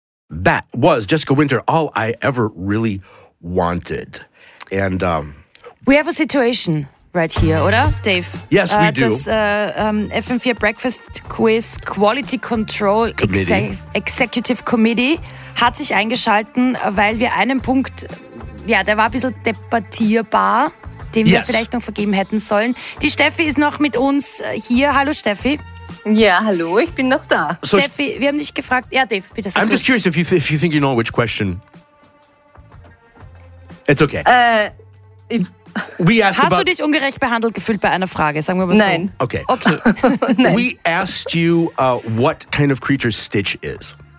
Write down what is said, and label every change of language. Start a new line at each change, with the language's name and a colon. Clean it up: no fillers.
English: That was Jessica Winter, All I Ever Really Wanted. And we have a situation right here, oder, Dave? Yes, we do.
German: Das FM4 Breakfast Quiz Quality Control Executive Committee hat sich eingeschalten, weil wir einen Punkt, ja, der war ein bisschen debattierbar, den wir vielleicht noch vergeben hätten sollen. Die Steffi ist noch mit uns hier. Hallo, Steffi.
English: Yeah, hello,
German: ich bin noch da. So Steffi, wir haben dich gefragt. Ja, Dave, bitte.
English: I'm just curious if you think you know which question. It's okay.
German: Hast du dich ungerecht behandelt gefühlt bei einer Frage? Sagen wir mal Nein. So. Okay. Okay. Nein.
English: We asked you what kind of creature Stitch is.